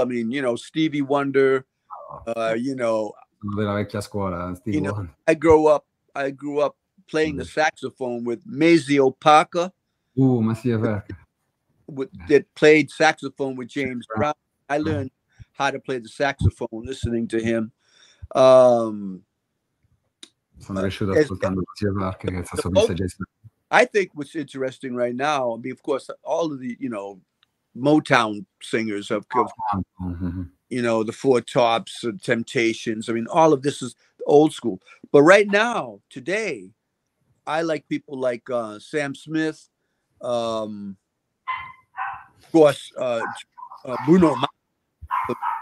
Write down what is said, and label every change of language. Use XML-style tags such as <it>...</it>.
<en>I mean, you know, Stevie Wonder, you know,</en> <it>della vecchia scuola, Stevie Wonder.</it> <en>I grew up playing the saxophone with Maceo Paca. Maceo Paca. That played saxophone with James Brown. I learned how to play the saxophone listening to him.</en> <it>Sono cresciuto ascoltando Maceo Paca, che fa solista jazz.</it> <en>I think what's interesting right now, I mean, of course, all of the, you know, Motown singers have come, you know, the Four Tops, the Temptations. I mean, all of this is old school. But right now, today, I like people like Sam Smith, of course, Bruno Mars.</en>